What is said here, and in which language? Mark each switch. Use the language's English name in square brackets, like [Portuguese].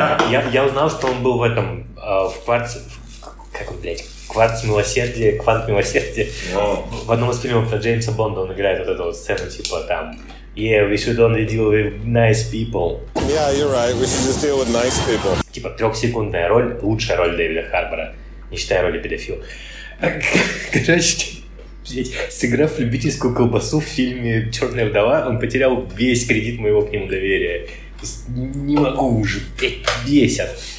[Russian] Я узнал, что он был в этом, в «Кварце», как он, блядь, «Кварц милосердия», «Квант милосердия». В одном из фильмов про Джеймса Бонда он играет вот эту вот сцену, типа там [English] «Yeah, we should only deal with nice people». Yeah, you're right, we should just deal with nice people. [Russian] Типа трехсекундная роль, лучшая роль Дэвида Харбора, не считая роли педофила. Короче, сыграв любительскую колбасу в фильме «Черная вдова», он потерял весь кредит моего к нему доверия. Не могу уже, бесят.